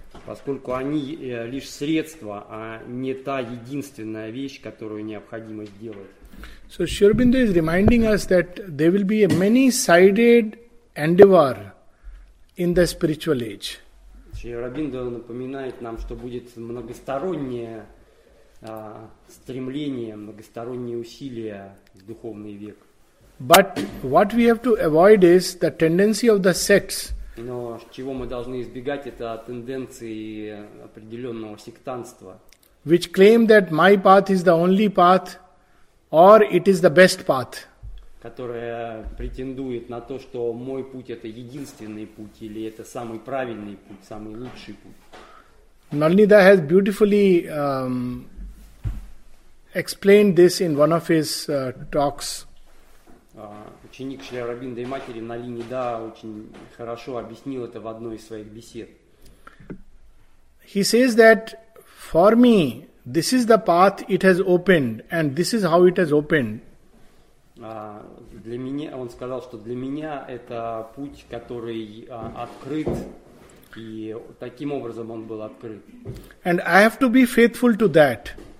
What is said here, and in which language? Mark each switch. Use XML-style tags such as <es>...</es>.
<ru>Поскольку они лишь средство, а не та единственная вещь, которую необходимо сделать.</ru> <en>So Sri Aurobindo is reminding us that there will be a many-sided endeavor in the spiritual age.</en> <ru>Sri Aurobindo напоминает нам, что будет многостороннее стремление, многосторонние усилия в духовный век.</ru> <en>But what we have to avoid is the tendency of the sects.</en> <ru>Но чего мы должны избегать, это тенденции определенного сектантства.</ru> <en>Which claim that my path is the only path, or it is the best path.</en> <ru>Которая претендует на то, что мой путь это единственный путь, или это самый правильный путь, самый лучший путь.</ru> <en>Nalanda has beautifully explained this in one of his talks.</en> <ru>Ученик Шри Аурабинды и матери Налинида очень хорошо объяснил это в одной из своих бесед.</ru> <en>He says that for me this is the path it has opened and this is how it has opened.</en> <ru>Для меня, он сказал, что для меня это путь, который открыт, и таким образом он был открыт.</ru> <en>And I have to be faithful to that.</en>